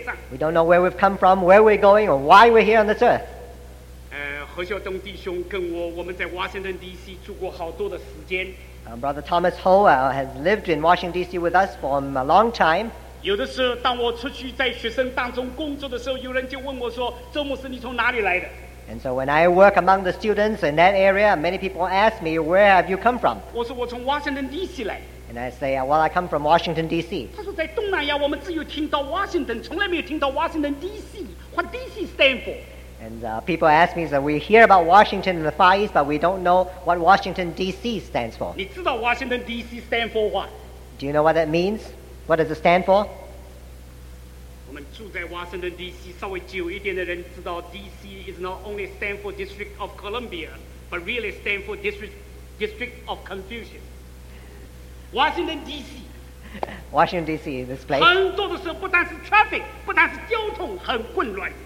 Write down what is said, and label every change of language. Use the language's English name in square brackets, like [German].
[English] We don't know where we've come from, where we're going, or why we're here on this earth. [Chinese] 何孝东弟兄跟我们在 Washington D.C. 住过好多的时间。 [English] Brother Thomas Ho has lived in Washington D.C. with us for a long time. [Chinese] 有的时候，当我出去在学生当中工作的时候，有人就问我说：“周牧师，你从哪里来的？” [English] And so when I work among the students in that area, many people ask me, "Where have you come from?" [Chinese] 我说我从 Washington D.C. 来。 [English] And I say, well, I come from Washington, D.C. [Chinese] 他说在东南亚我们只有听到 Washington, 从来没有听到 Washington, D.C. [English] What D.C. stand for? And people ask me that we hear about Washington in the Far East, but we don't know what Washington D.C. stands for. [Chinese] 你知道 Washington D.C. [English] stand for what? Do you know what that means? What does it stand for? [Chinese] 我们住在 Washington D.C. 稍微久一点的人知道 D.C. [English] is not only stand for District of Columbia, but really stand for District of Confusion. Washington D.C. Washington D.C. this place. [Chinese] 很多的时候不但是 traffic, 不但是交通很混乱。